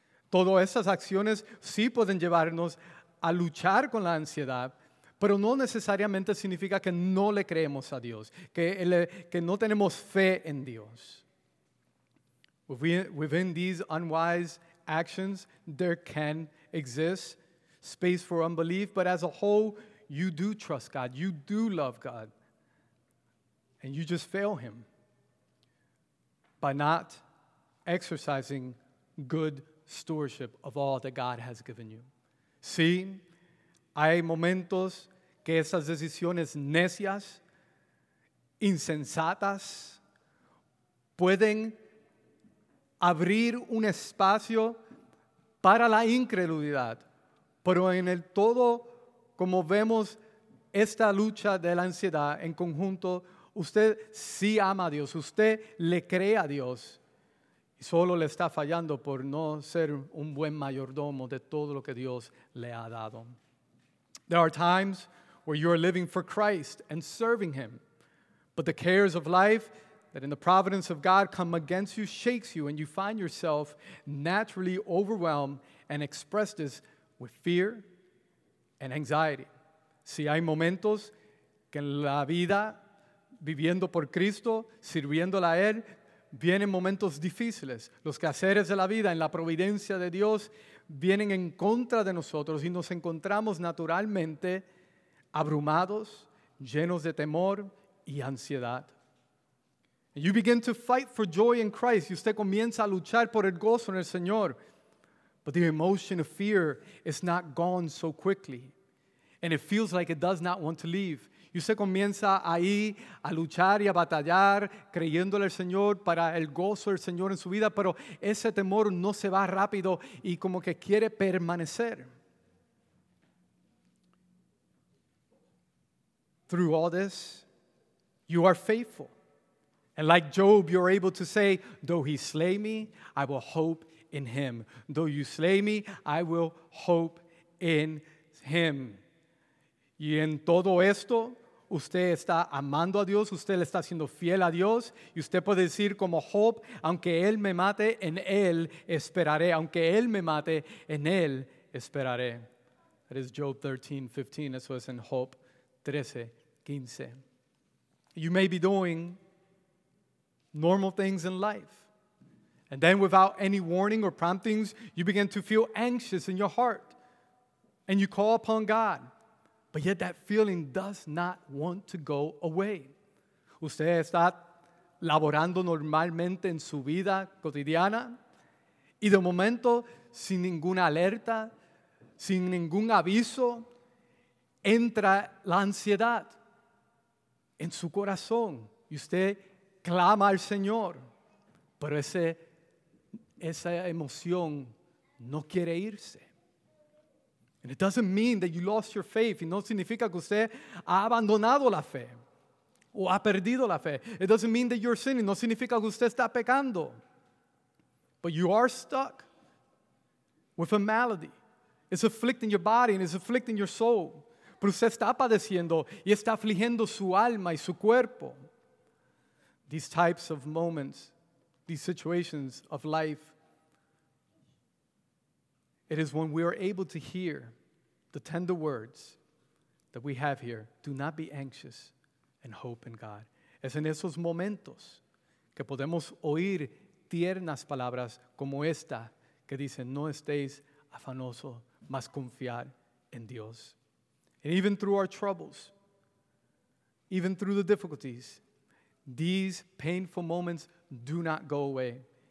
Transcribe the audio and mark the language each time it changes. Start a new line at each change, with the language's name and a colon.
Spanish: Todas estas acciones sí pueden llevarnos a luchar con la ansiedad, pero no necesariamente significa que no le creemos a Dios, que no tenemos fe en Dios.
English: Within these unwise actions, there can exist space for unbelief, but as a whole, you do trust God, you do love God, and you just fail Him by not exercising good stewardship of all that God has given you.
Spanish: Sí, hay momentos que esas decisiones necias, insensatas, pueden abrir un espacio para la incredulidad, pero en el todo, como vemos esta lucha de la ansiedad en conjunto, usted sí ama a Dios, usted le cree a Dios, y solo le está fallando por no ser un buen mayordomo de todo lo que Dios le ha dado.
English: There are times where you are living for Christ and serving Him, but the cares of life that in the providence of God come against you shakes you, and you find yourself naturally overwhelmed and express this with fear and anxiety.
Spanish: Si hay momentos que en la vida, viviendo por Cristo, sirviéndole a Él, vienen momentos difíciles. Los quehaceres de la vida en la providencia de Dios vienen en contra de nosotros y nos encontramos naturalmente abrumados, llenos de temor y ansiedad.
English: You begin to fight for joy in Christ.
Spanish: Y usted comienza a luchar por el gozo en el Señor.
English: But the emotion of fear is not gone so quickly. And it feels like it does not want to leave.
Spanish: Y usted comienza ahí a luchar y a batallar, creyéndole al Señor para el gozo del Señor en su vida, pero ese temor no se va rápido y como que quiere permanecer.
English: Through all this, you are faithful. And like Job, you're able to say, though he slay me, I will hope in him. Though you slay me, I will hope in him.
Spanish: Y en todo esto, usted está amando a Dios, usted le está siendo fiel a Dios, y usted puede decir como Job, aunque Él me mate, en Él esperaré. Aunque Él me mate, en Él esperaré.
English: That is Job 13:15.
Spanish: Eso es en Job 13:15.
English: You may be doing normal things in life, and then without any warning or promptings, you begin to feel anxious in your heart, and you call upon God. But yet that feeling does not want to go away.
Spanish: Usted está laborando normalmente en su vida cotidiana y de momento, sin ninguna alerta, sin ningún aviso, entra la ansiedad en su corazón y usted clama al Señor, pero esa emoción no quiere irse.
English: And it doesn't mean that you lost your faith.
Spanish: Y no significa que usted ha abandonado la fe o ha perdido la fe.
English: It doesn't mean that you're sinning.
Spanish: No significa que usted está pecando.
English: But you are stuck with a malady. It's afflicting your body and it's afflicting your soul.
Spanish: Pero usted está padeciendo y está afligiendo su alma y su cuerpo.
English: These types of moments, these situations of life, it is when we are able to hear the tender words that we have here. Do not be anxious and hope in God.
Spanish: Es en esos momentos que podemos oír tiernas palabras como esta que dice, no estéis afanoso, mas confiar en Dios.
English: And even through our troubles, even through the difficulties, these painful moments do not go away.